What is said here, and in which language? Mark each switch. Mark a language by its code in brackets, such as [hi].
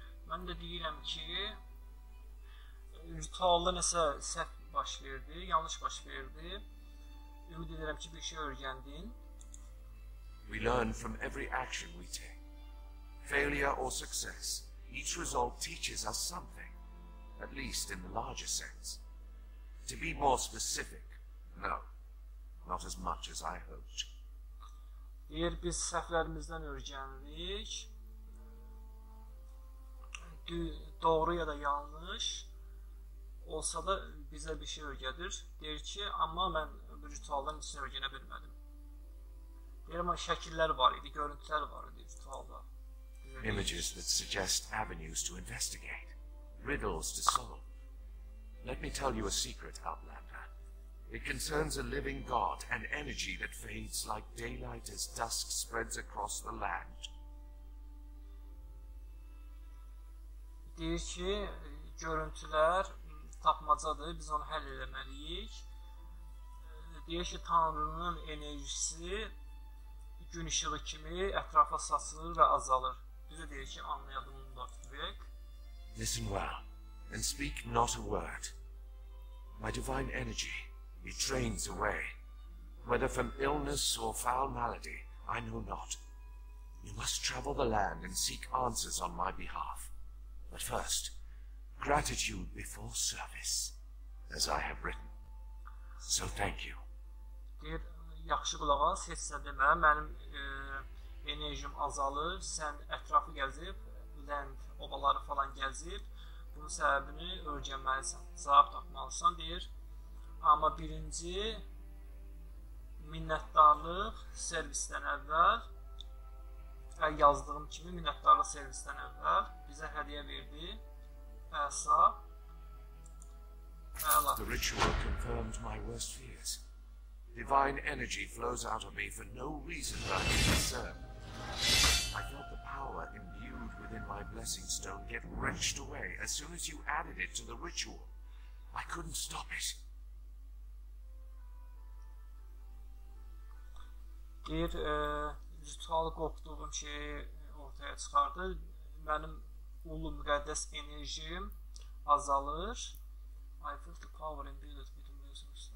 [az] Mən də deyirəm ki, ritualda nəsə səhv baş verdi, yanlış baş verdi. Ümid edirəm ki, bir şey öyrəndin. [en] We learn from every action we take. Failure or success, each result teaches us something, at least in the larger sense. To be more specific, no. Not as much as I hoped. [az] Deyir, biz səhvlərimizdən öyrəndik. Doğru ya da yanlış olsa da bizə bir şey öyrədir. Deyir ki, amma mən ritualların içini öyrənə bilmədim. Deyir, amma şəkillər var idi, görüntülər var idi ritualda. [en] Images that suggest avenues to investigate, riddles to solve. Let me tell you a secret, Outland. It concerns a living god, an energy that fades like daylight as dusk spreads across the land. [az] Deyir ki, görüntülər tapmacadır, biz onu həll eləməliyik. Deyir ki, Tanrının enerjisi gün işığı kimi ətrafa saçılır və azalır. Biz də deyir ki, anlayalım bunu da artıq. [en] Listen well, and speak not a word. My divine energy, it drains away, whether from illness or foul malady, I know not. You must travel the land and seek answers on my behalf. But first, gratitude before service, as I have written. So thank you. [az] Deyir, yaxşı qulağa, heç sən demə, mənim enerjim azalır, sən ətrafı gəzib, land, obaları falan gəzib, bunun səbəbini öyrənməlisən, cavab tapmalısan, deyir. Amma birinci, minnətdarlıq servisdən əvvəl, yazdığım kimi minnətdarlıq servisdən əvvəl bizə hədiyə verdi. Əsa. Əla. [en] The ritual confirmed my worst fears. Divine energy flows out of me for no reason that I can discern. I felt the power imbued within my blessing stone get wrenched away as soon as you added it to the ritual. I couldn't stop it. [az] Deyir, ritual qopduğum şeyi ortaya çıxardı. Mənim ulu müqəddəs enerjim azalır. [en] I feel the power in being with the music.